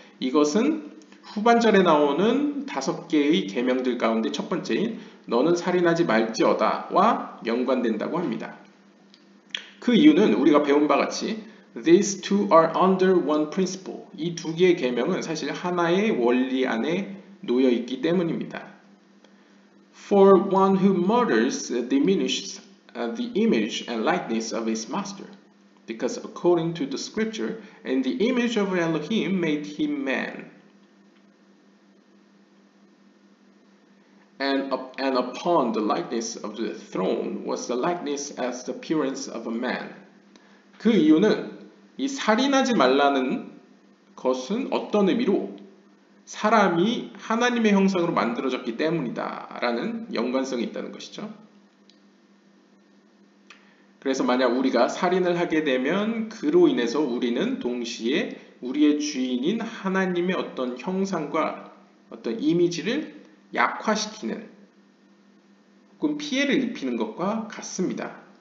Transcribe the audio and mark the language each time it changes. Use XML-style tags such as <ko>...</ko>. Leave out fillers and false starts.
<ko>이것은 후반절에 나오는 다섯 개의 계명들 가운데 첫 번째인 너는 살인하지 말지어다와 연관된다고 합니다. 그 이유는 우리가 배운 바 같이</ko> <en>These two are under one principle.</en> <ko>이 두 개의 계명은 사실 하나의 원리 안에 놓여 있기 때문입니다.</ko> <en>For one who murders diminishes the image and likeness of his master. Because according to the scripture, in the image of Elohim made him man. And upon the likeness of the throne was the likeness as the appearance of a man.</en> <ko>그 이유는 이 살인하지 말라는 것은 어떤 의미로 사람이 하나님의 형상으로 만들어졌기 때문이다 라는 연관성이 있다는 것이죠. 그래서 만약 우리가 살인을 하게 되면 그로 인해서 우리는 동시에 우리의 주인인 하나님의 어떤 형상과 어떤 이미지를 약화시키는 혹은 피해를 입히는 것과 같습니다.</ko>